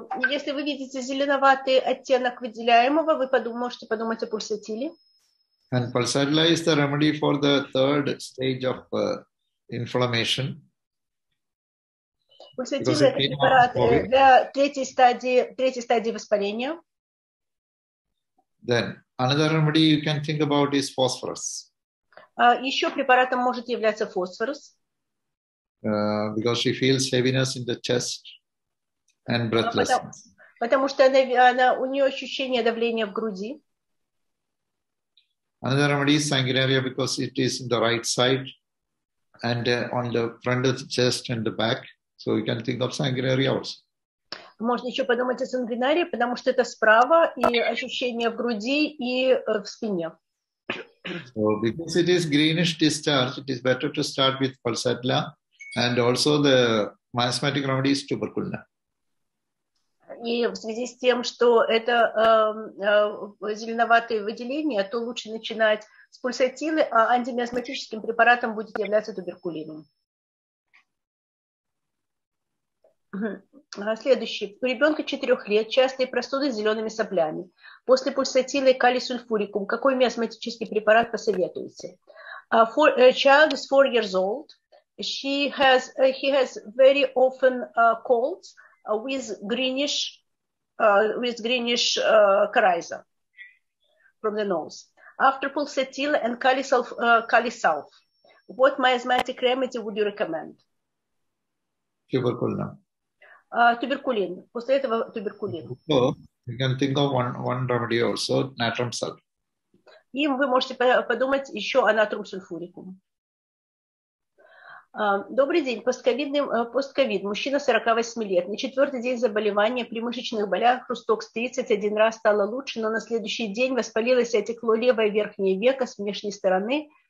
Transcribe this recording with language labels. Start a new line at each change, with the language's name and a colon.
Russian: Если вы видите зеленоватый оттенок выделяемого, вы можете подумать о пульсатиле.
English: And pulsatilla is the remedy for the third stage of inflammation.
Russian: Пульсатилла – это препарат для третьей стадии воспаления.
English: Then another remedy you can think about is phosphorus.
Russian: Еще препаратом может являться фосфорус.
English: Because she feels heaviness in the chest and breathlessness.
Russian: Потому что она у нее ощущение давления в груди.
English: Another remedy is sanguinaria because it is in the right side and on the front of the chest and the back. So you can think of sanguinaria also.
Russian: Можно еще подумать о сангвинарии, потому что это справа и ощущение в груди и в спине.
English: So because it is greenish discharge, it is better to start with pulsatilla, and also the miasmatic remedy is tuberculina.
Russian: И в связи с тем, что это зеленоватые выделения, то лучше начинать с пульсатилы, а антимиазматическим препаратом будет являться туберкулином. Следующий. У ребенка 4 лет частые простуды с зелеными соплями. После пульсатилы и калисульфурикум какой миазматический препарат посоветуете?
English: Child is 4 years old. He has very often colds with greenish coryza from the nose. After pulsatilla and calisulf, what miasmatic remedy would you recommend? Tuberculina.
Russian: Туберкулин. После этого туберкулин.
English: Oh, you can think of one remedy also, natrum sulf.
Russian: И вы можете подумать еще о натрум сульфурикум. Добрый день. Постковид. Мужчина 48 лет. На 4-й день заболевания при мышечных болях хрусток с 31 раз стало лучше, но на следующий день воспалилось и отекло левое верхнее веко с внешней стороны.